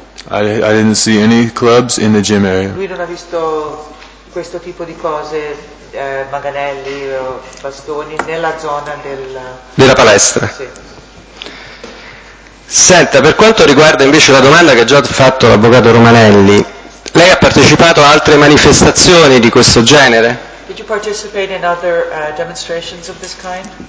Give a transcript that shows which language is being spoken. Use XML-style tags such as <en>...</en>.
<en>I didn't see any clubs in the gym area.</en> <it>Lui non ha visto questo tipo di cose, manganelli o bastoni, nella zona della palestra. Sì. Senta, per quanto riguarda invece la domanda che ha già fatto l'avvocato Romanelli, lei ha partecipato a altre manifestazioni di questo genere?</it> <en>Did you participate in other demonstrations of this kind?</en>